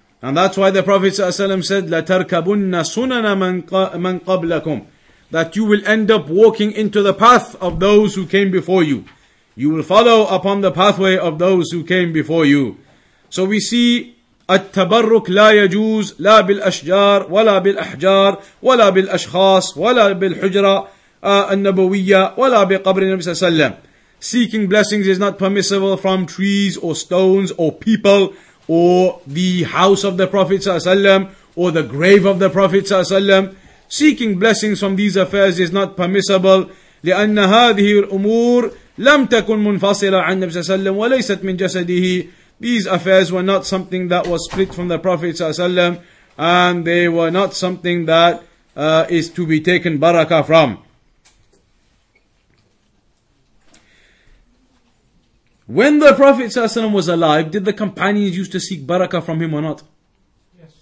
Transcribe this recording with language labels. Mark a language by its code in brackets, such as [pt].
[en] And that's why the Prophet ﷺ said, [ar] لَتَرْكَبُنَّ سُنَنَ مَنْ قَبْلَكُمْ. [en] That you will end up walking into the path of those who came before you. You will follow upon the pathway of those who came before you. So we see, [ar] التبرك لا يجوز لا بالأشجار ولا بالأحجار ولا بالأشخاص ولا بالحجرة النبوية ولا بقبر النبي صلى الله عليه وسلم. [en] Seeking blessings is not permissible from trees or stones or people, or the house of the Prophet ﷺ, or the grave of the Prophet ﷺ. Seeking blessings from these affairs is not permissible. [ar] لأن هذه الأمور لم تكن منفصلة عن النبي صلى الله عليه وسلم وليست من جسده. [en] These affairs were not something that was split from the Prophet ﷺ, and they were not something that is to be taken barakah from. When the Prophet ﷺ was alive, did the companions used to seek barakah from him or not? Yes.